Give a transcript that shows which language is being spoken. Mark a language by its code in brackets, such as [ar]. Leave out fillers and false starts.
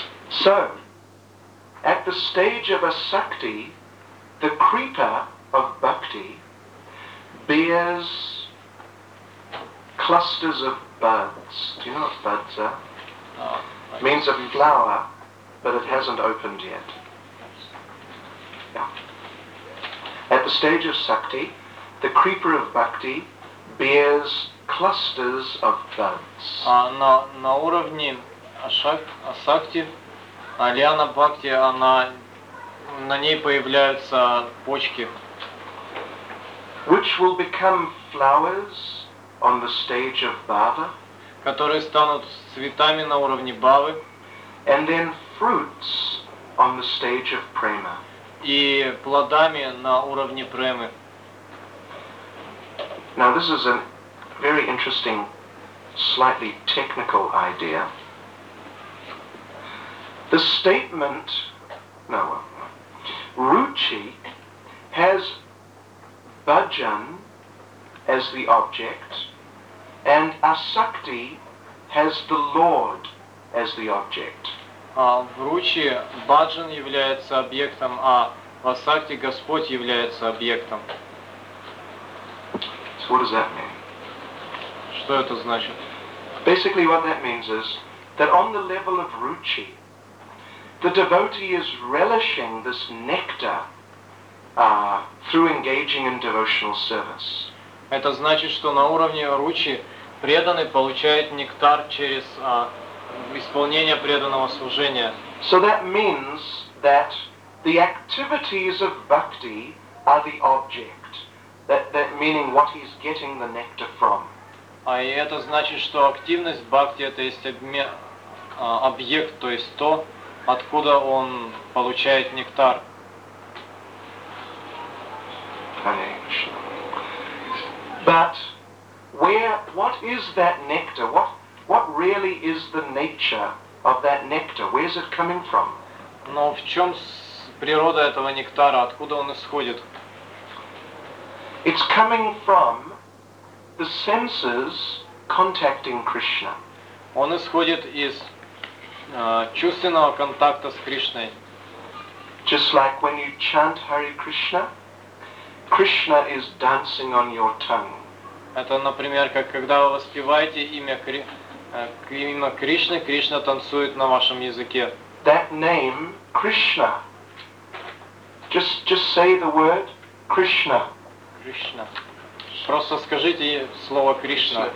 [en] So, at the stage of asakti, the creeper of bhakti bears clusters of buds. Do you know what buds are? It means a flower, but it hasn't opened yet. Yeah. At the stage of sakti, the creeper of bhakti bears clusters of buds. [ru] На уровне асакти, лиана бхакти, она, на ней появляются почки. [en] Which will become flowers on the stage of bhava. [ru] Которые станут цветами на уровне бхавы. [en] And then fruits on the stage of prema. [ru] И плодами на уровне премы. [en] Now this is a very interesting, slightly technical idea. The statement, ruchi has bhajan as the object and asakti has the Lord as the object. [ru] В ручи бхаджан является объектом, а в асакти Господь является объектом. [en] So what does that mean? [ru] Что это значит? [en] Basically what that means is that on the level of ruchi, the devotee is relishing this nectar through engaging in devotional service. [ru] Это значит, что на уровне ручи преданный получает нектар через исполнение преданного служения. [en] So that means that the activities of bhakti are the object. That meaning what he's getting the nectar from. [ru] А это значит, что активность бхакти это есть объект, то есть то, откуда он получает нектар. [en] But where, what is that nectar? What really is the nature of that nectar? Where is it coming from? [ru] Но в чем природа этого нектара? Откуда он исходит? [en] It's coming from the senses contacting Krishna. [ru] Он исходит из чувственного контакта с Кришной. [en] Just like when you chant Hare Krishna, Krishna is dancing on your tongue. [ru] Это, например, как когда вы воспеваете имя Кришны, Кришна танцует на вашем языке. [en] That name, Krishna. Just say the word Krishna. Krishna. [ru] Просто скажите слово Кришна.